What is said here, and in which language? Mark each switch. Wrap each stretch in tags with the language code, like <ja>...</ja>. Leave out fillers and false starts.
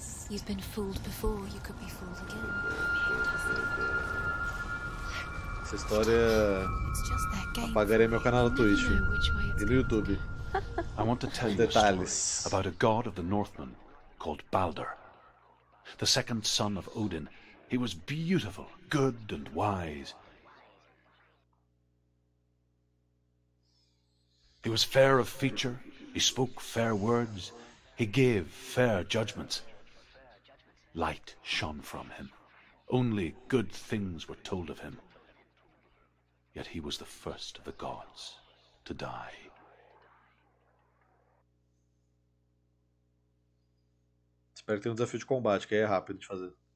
<en>You've been fooled before, you could be fooled again.</en> <pt>Essa história apagaria meu canal no Twitch e no YouTube.</pt> <en>I want to tell you a story about a god of the Northmen called Baldur. The second son of Odin. He was beautiful, good and wise. He was fair of feature, he spoke fair words, he gave fair judgments. Light shone from him. Only good things were told of him. Yet he was the first of the gods to die.</en> <pt>Espero que tenha desafio de combate, que aí é rápido de fazer.</pt>